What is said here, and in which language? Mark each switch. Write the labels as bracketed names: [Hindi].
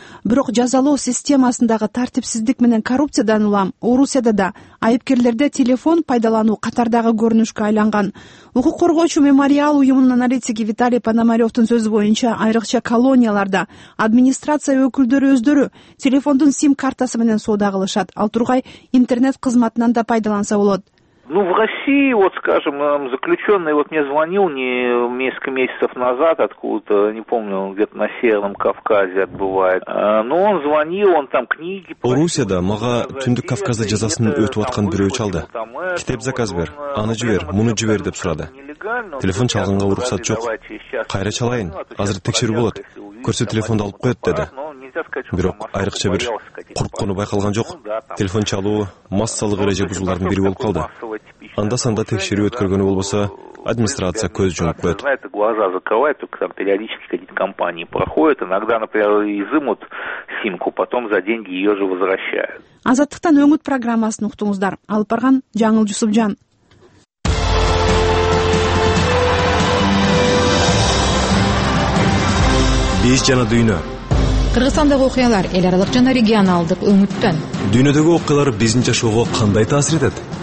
[Kyrgyz] Бирок жазалоо системасындагы тартипсиздик менен коррупциядан улам Орусияда да айыпкерлерде телефон пайдалануу катардагы көрүнүшкө айланган. Укук коргоочу мемориал уюмунун аналитиги Виталий Пономарёвдун сөзү боюнча, айрыкча колонияларда администрация өкүлдөрү өздөрү телефондун сим картасы менен соода кылышат. Ал тургай интернет кызматынан да пайдаланса болот. [Russian] Ну, в России, вот, скажем, заключенный вот мне звонил не несколько месяцев назад откуда-то, не помню, он где-то на Северном Кавказе отбывает. Но он звонил, он там книги... [Kyrgyz] Орусияда мага Түндүк Кавказда жазасын өтүп аткан бирөө чалды. Китеп заказ бер, аны жибер, муну жибер деп сурады. Телефон чалганга уруксат жок. Кайра чалайын, азыр текшерүү болот. Көрсө телефонду алып коет, деди. Бирок айрыкча бир корккону байкалган жок. Телефон чалуу массалык эреже бузуулардын бири болуп калды. Анда-санда текшерүү өткөргөнү болбосо, администрация көз жумуп коет. [Russian] Это глаза закрывают, только там периодически какие-то компании проходят, иногда, например, изымут симку, потом за деньги ее же возвращают. [Kyrgyz] Азаттыктан өмүт программасын уктуңуздар. Алып барган Жаңыл Жусупжан. Биз жана дүйнө. Кыргызстандагы окуялар эл аралык жана регионалдык өңүттөн. Дүйнөдөгү окуялар биздин жашоого кандай таасир этет?